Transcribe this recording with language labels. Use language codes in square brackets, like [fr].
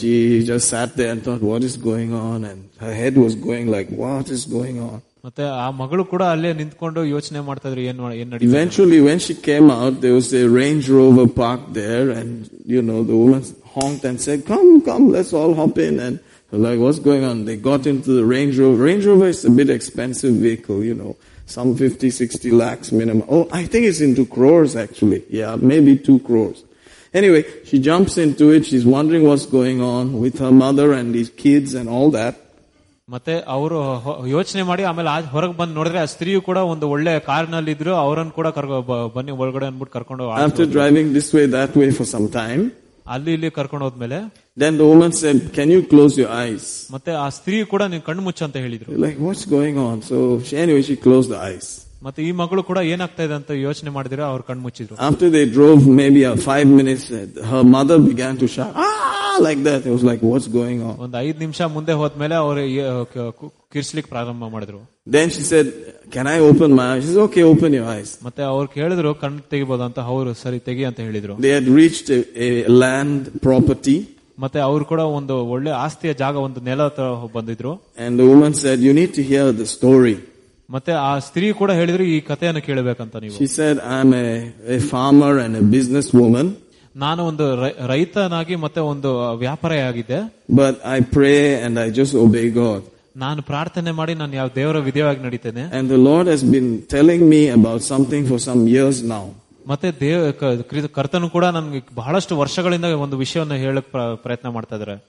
[en] she just sat there and thought what is going on and her head was going like what is going on [kn] ಮತ್ತೆ ಆ ಮಗಳು ಕೂಡ ಅಲ್ಲೇ ನಿಂತ್ಕೊಂಡು ಯೋಚನೆ ಮಾಡ್ತಾ ಇದ್ರು ಏನ್ ನಡೀತಾ [en] Eventually when she came out there was a Range Rover park there and you know the woman honked and said come let's all hop in and Like, what's going on? They got into the Range Rover. Range Rover is a bit expensive vehicle, you know. Some 50, 60 lakhs minimum. Oh, I think it's into crores, actually. Yeah, maybe 2 crores. Anyway, she jumps into it. She's wondering what's going on with her mother and these kids and all that. [kn] ಮತ್ತೆ ಅವರು ಯೋಚನೆ ಮಾಡಿ ಆಮೇಲೆ ಹೊರಗೆ ಬಂದು ನೋಡಿದ್ರೆ ಆ ಸ್ತ್ರೀಯು ಕೂಡ ಒಂದು ಒಳ್ಳೆ ಕಾರ್ ನಲ್ಲಿ ಇದ್ರು ಅವರನ್ನು ಕೂಡ ಬನ್ನಿ ಒಳಗಡೆ ಅನ್ಬಿಟ್ಟು ಕರ್ಕೊಂಡು [en] after driving this way that way for some time [kn] ಅಲ್ಲಿ ಇಲ್ಲಿ ಕರ್ಕೊಂಡು ಹೋದ್ಮೇಲೆ [en] then the woman said can you close your eyes [kn] ಮತ್ತೆ ಆ ಸ್ತ್ರೀ ಕೂಡ ನೀವು ಕಣ್ಣು ಮುಚ್ಚ ಅಂತ ಹೇಳಿದ್ರು [en] like what's going on so anyway she close the eyes [kn] ಮತ್ತೆ ಈ ಮಗಳು ಕೂಡ ಏನಾಗ್ತಾ ಇದೆ ಅಂತ ಯೋಚನೆ ಮಾಡಿದ್ರೆ ಅವ್ರ ಕಣ್ಣು ಮುಚ್ಚಿದ್ರು [en] After they drove maybe 5 minutes her mother began to shout like that. It was like, what's going on? [kn] ಒಂದು 5 ನಿಮಿಷ ಮುಂದೆ ಹೋದ್ಮೇಲೆ ಅವರು ಕಿರ್ಸ್ಲಿಕ್ಕೆ ಪ್ರಾರಂಭ ಮಾಡಿದ್ರು. [en] Then she said, can I open my eyes? She said, okay, open your eyes. [kn] ಮತ್ತೆ ಅವ್ರು ಕೇಳಿದ್ರು ಕಣ್ಣು ತೆಗಿಬಹುದಂತ, ಅವರು ಸರಿ ತೆಗಿ ಅಂತ ಹೇಳಿದ್ರು. [en] They had reached a land property. [kn] ಮತ್ತೆ ಅವ್ರು ಕೂಡ ಒಂದು ಒಳ್ಳೆ ಆಸ್ತಿಯ ಜಾಗ, ಒಂದು ನೆಲ ಹತ್ರ ಬಂದಿದ್ರು. [en] And the woman said, you need to hear the story. [kn] ಮತ್ತೆ ಆ ಸ್ತ್ರೀ ಕೂಡ ಹೇಳಿದ್ರು ಈ ಕಥೆಯನ್ನು ಕೇಳಬೇಕಂತ ನೀವು. [en] She said, I'm a farmer and a business woman. [kn] ನಾನು ಒಂದು ರೈತನಾಗಿ ಮತ್ತೆ ಒಂದು ವ್ಯಾಪಾರಿ ಆಗಿದ್ದೆ. [en] But I pray and I just obey God. [kn] ನಾನು ಪ್ರಾರ್ಥನೆ ಮಾಡಿ ನಾನು ಯಾವ ದೇವರ ವಿಧೇಯವಾಗಿ ನಡೀತೇನೆ. [en] And the Lord has been telling me about something for some years now. [kn] ಮತ್ತೆ ದೇವ ಕರ್ತನು ಕೂಡ ನನಗೆ ಬಹಳಷ್ಟು ವರ್ಷಗಳಿಂದ ಒಂದು ವಿಷಯವನ್ನು ಹೇಳಕ್ ಪ್ರಯತ್ನ ಮಾಡ್ತಾ ಇದ್ದಾರೆ.